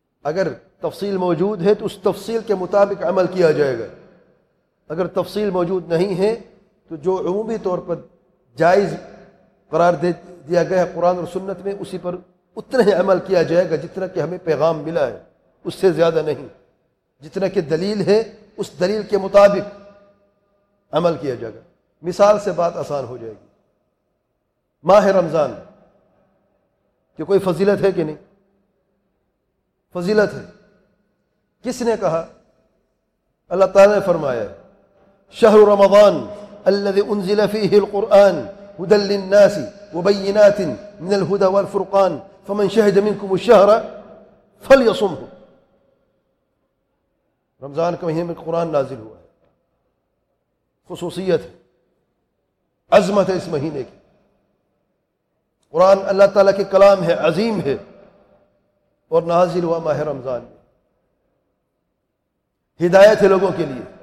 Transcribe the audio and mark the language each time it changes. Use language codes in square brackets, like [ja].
[ur] اگر تفصیل موجود ہے تو اس تفصیل کے مطابق عمل کیا جائے گا، اگر تفصیل موجود نہیں ہے تو جو عمومی طور پر جائز قرار دے دیا گیا ہے قرآن اور سنت میں اسی پر اتنا ہی عمل کیا جائے گا جتنا کہ ہمیں پیغام ملا ہے، اس سے زیادہ نہیں. جتنا کہ دلیل ہے اس دلیل کے مطابق عمل کیا جائے گا. مثال سے بات آسان ہو جائے گی. ماہ رمضان کہ کوئی فضیلت ہے کہ نہیں؟ فضیلت ہے. کس نے کہا؟ اللہ تعالیٰ نے فرمایا [ar] شہر رمضان الذي انزل فيه القرآن هدى للناس وبينات من الهدى والفرقان فمن شهد منكم الشهر فليصمه. [ur] رمضان کا مہینے میں قرآن نازل ہوا ہے، خصوصیت ہے، عظمت ہے اس مہینے کی. قرآن اللہ تعالیٰ کے کلام ہے، عظیم ہے، اور نازل ہوا ماہ رمضان، ہدایت ہے لوگوں کے لیے.